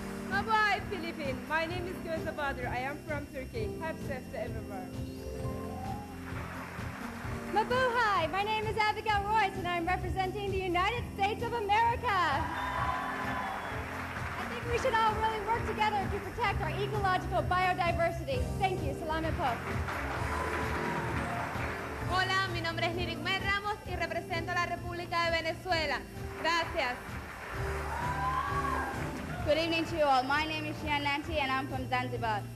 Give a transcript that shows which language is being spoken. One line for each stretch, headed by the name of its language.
English: Bye-bye, Philippines. My name is Gözde Badur. I am from Turkey. Have safe to everyone.
Filipino: Mabuhay!
English: My name is Abigail Royce and I'm representing the United States of America. I think we should all really work together to protect our ecological biodiversity. Thank you.
Filipino: Salamat po.
Spanish: Hola, mi nombre es Lirigmay Ramos y represento la República de Venezuela. Gracias.
English: Good evening to you all. My name is Jean Lanti and I'm from Zanzibar.